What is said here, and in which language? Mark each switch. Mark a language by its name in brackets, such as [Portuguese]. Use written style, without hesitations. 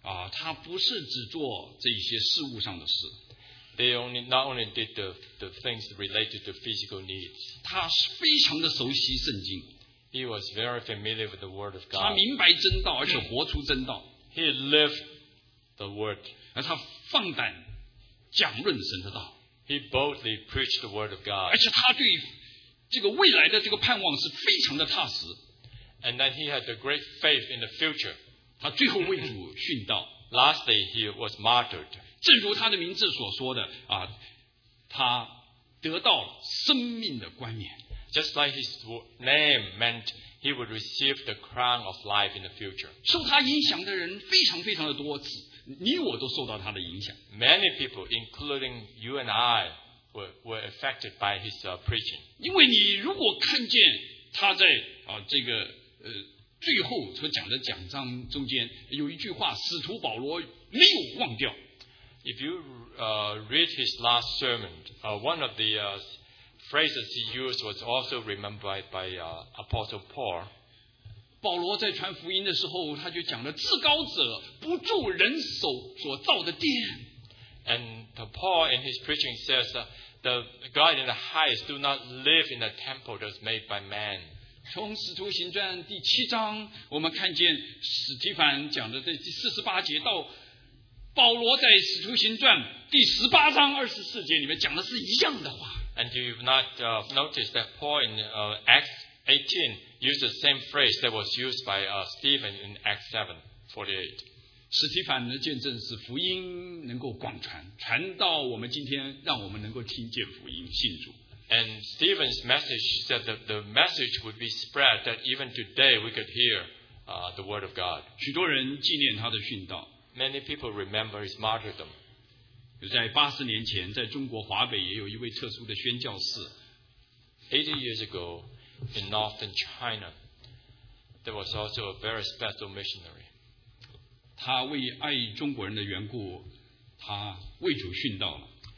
[Chinese] 他不是只做这些事物上的事。 [English] They only not only did the things related to physical needs. [Chinese] 他非常的熟悉圣经。 [English] He was very familiar with the word of God. [Chinese] 他明白真道，而且活出真道。 [English] He lived the word. [Chinese] 而他放胆讲论神的道。 [English] He boldly preached the word of God. [Chinese] 而且他对这个未来的这个盼望是非常的踏实。 [English] And then he had a great faith in the future. [Chinese] 他最后为主殉道。 [English] Lastly, he was martyred. [Chinese] 正如他的名字所说的啊，他得到生命的冠冕。 [English] Just like his name meant he would receive the crown of life in the future. [Chinese] 受他影响的人非常非常的多，你我都受到他的影响。 [English] Many people, including you and I, were affected by his preaching. [Chinese] 因为你如果看见他在这个最后所讲的讲章中间有一句话，使徒保罗没有忘掉。 [English] If you read his last sermon, one of the phrases he used was also remembered by Apostle Paul. [Chinese] 保罗在传福音的时候，他就讲了：“至高者不住人手所造的殿。” [English] And Paul in his preaching says that the God in the highest do not live in a temple that's made by man. [Chinese] 从使徒行传第七章，我们看见史提凡讲的这第四十八节到保罗在使徒行传第十八章二十四节里面讲的是一样的话。 [English] And you've not noticed that Paul in Acts 18 used the same phrase that was used by Stephen in Acts 7:48. [Chinese] 使提凡的见证是福音能够广传，传到我们今天，让我们能够听见福音，信主。 [English] And Stephen's message said that the message would be spread that even today we could hear the word of God. [Chinese] 许多人纪念他的殉道。 [English] Many people remember his martyrdom. [Chinese] 在八十年前，在中国华北也有一位特殊的宣教士。 [English] 80 years ago in northern China, there was also a very special missionary. [Chinese] 他为爱中国人的缘故，他为主殉道了。